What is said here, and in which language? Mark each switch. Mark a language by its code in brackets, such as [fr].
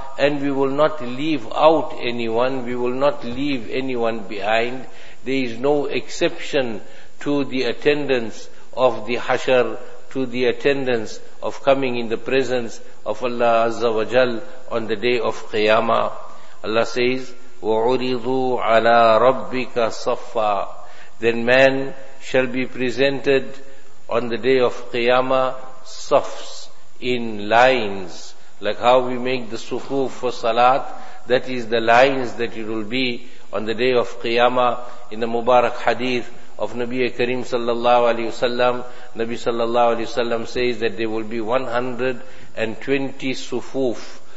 [en] And we will not leave out anyone, we will not leave anyone behind. There is no exception to the attendance of the Hashar, to the attendance of coming in the presence of Allah Azza wa Jal on the day of Qiyamah. Allah says, [ar] وَعُرِضُوا عَلَىٰ رَبِّكَ صَفَّا. [en] Then man shall be presented on the day of Qiyamah safs, in lines, like how we make the sufuf for salat. That is the lines that it will be on the day of Qiyamah. In the Mubarak hadith of Nabi Karim sallallahu alayhi wasallam, Nabi sallallahu alayhi wasallam says that there will be 120 sufuf.